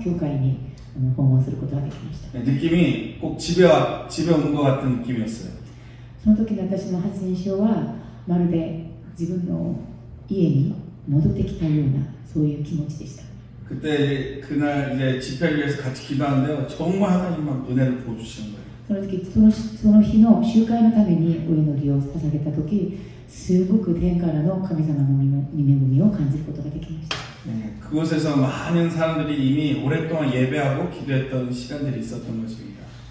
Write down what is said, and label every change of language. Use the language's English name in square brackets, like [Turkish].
[Japanese] 私は12月に日本の中島先生のお父さんであるお父さんの中島先生の教会に訪問することができました。 [Korean] 느낌이 꼭 집에 온 것 같은 느낌이었어요. [Japanese] その時私の初印象はまるで自分の家に戻ってきたようなそういう気持ちでした。 [Korean] 그때 그날 이제 집회를 위해서 같이 기도하는데요. 정말 하나님만 은혜를 부어주시는 거예요. [Japanese] その時その日の集会のためにお祈りを捧げた時すごく天からの神様の恵みを感じることができました。 [Korean] 그곳에서 많은 사람들이 이미 오랫동안 예배하고 기도했던 시간들이 있었던 것입니다.